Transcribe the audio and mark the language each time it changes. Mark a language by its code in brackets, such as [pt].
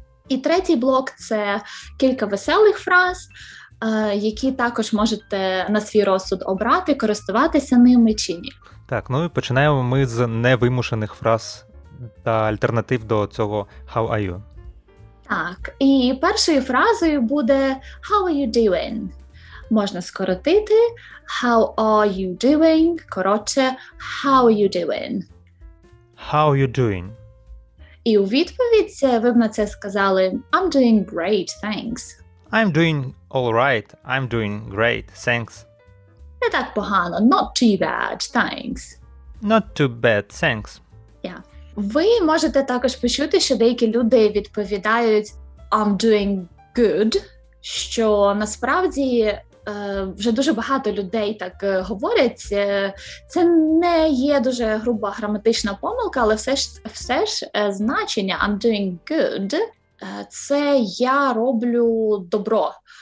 [uk] І третій блок – це кілька веселих фраз, які також можете на свій розсуд обрати, користуватися ними чи ні. Так, ну і починаємо ми з невимушених фраз та альтернатив до цього [en] «how are you». [uk] Так, і першою фразою буде [en] «how are you doing?». [uk] Можна скоротити [en] «how are you doing?», [uk] коротше «how are you doing?». [en] «How are you doing?». [uk] І у відповідь ви б на це сказали [en] «I'm doing great, thanks». «I'm doing all right, I'm doing great, thanks». [uk] Не так погано, [en] «not too bad, thanks». «Not too bad, thanks». Yeah. [uk] Ви можете також почути, що деякі люди відповідають [en] «I'm doing good», [uk] що насправді вже дуже багато людей так говорять. Це не є дуже груба граматична помилка, але все ж значення [en] «I'm doing good» [uk] – це «я роблю добро».